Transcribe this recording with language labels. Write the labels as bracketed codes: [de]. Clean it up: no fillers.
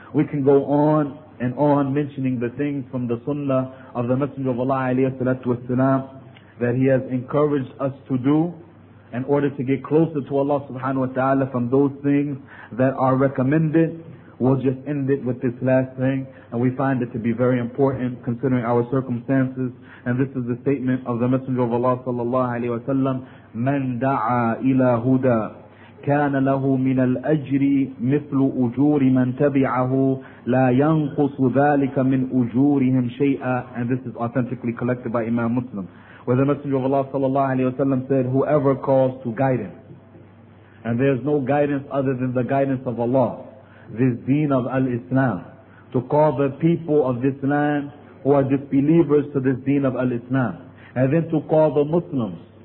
[en] We can go on and on mentioning the things from the sunnah of the Messenger of Allah alayhi salatu wasalam that he has encouraged us to do in order to get closer to Allah subhanahu wa ta'ala from those things that are recommended. We'll just end it with this last thing, and we find it to be very important considering our circumstances. And this is the statement of the Messenger of Allah sallallahu alayhi wa sallam, [ar] مَنْ دَعَى إِلَى هُدَى كَانَ لَهُ مِنَ الْأَجْرِ مِثْلُ أُجُورِ مَنْ تَبِعَهُ لَا يَنْقُصُ ذَلِكَ مِنْ أُجُورِهِمْ شَيْئًا. [en] And this is authentically collected by Imam Muslim, where the Messenger of Allah sallallahu alayhi wa sallam said, whoever calls to guidance, and there is no guidance other than the guidance of Allah, this deen of al-Islam, to call the people of this land who are disbelievers to this deen of al-Islam, and then to call the Muslims